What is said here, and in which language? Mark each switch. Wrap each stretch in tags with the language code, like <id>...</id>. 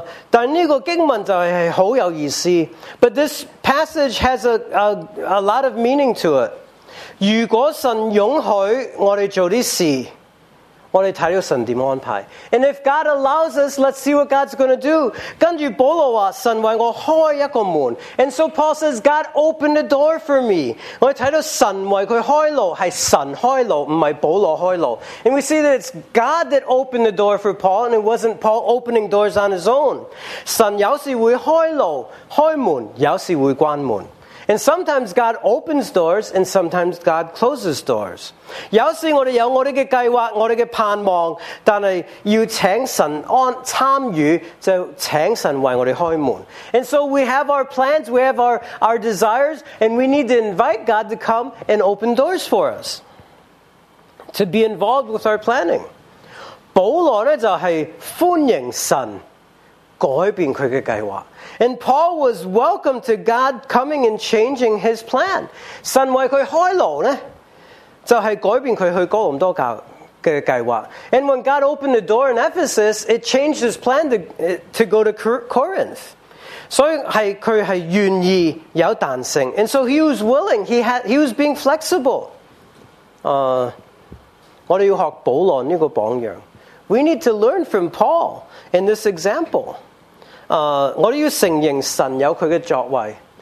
<zh>但这个经文就是很有意思。</zh> <en>But this passage has a lot of meaning to it.</en> <zh>如果神容许我们做这事，我们看到神怎么安排。</zh> <en>And if God allows us, let's see what God's going to do.</en> <zh>跟着保罗说，神为我开一个门。</zh> <en>And so Paul says, God opened the door for me.</en> <zh>我们看到神为他开路，是神开路，不是保罗开路。</zh> <en>And we see that it's God that opened the door for Paul, and it wasn't Paul opening doors on his own.</en> <zh>神有时会开路，开门，有时会关门。</zh> <en>And sometimes God opens doors, and sometimes God closes doors.</en> <zh>有时我们有我们的计划，我们的盼望，但是要请神参与，就请神为我们开门。</zh> <en>And so we have our plans, we have our desires, and we need to invite God to come and open doors for us. To be involved with our planning.</en> <zh>保罗呢就是欢迎神改变他的计划。</zh> <en>And Paul was welcome to God coming and changing his plan.</en> <zh>神为他开路呢，就是改变他去哥林多教的计划。</zh> <en>And when God opened the door in Ephesus, it changed his plan to go to Corinth.</en> <zh>所以他是愿意有弹性。</zh> <en>And so he was willing, he was being flexible.</en> <zh>我们要学保罗这个榜样。</zh> <en>We need to learn from Paul in this example.</en> <zh>我们要承认神有他的作为。</zh>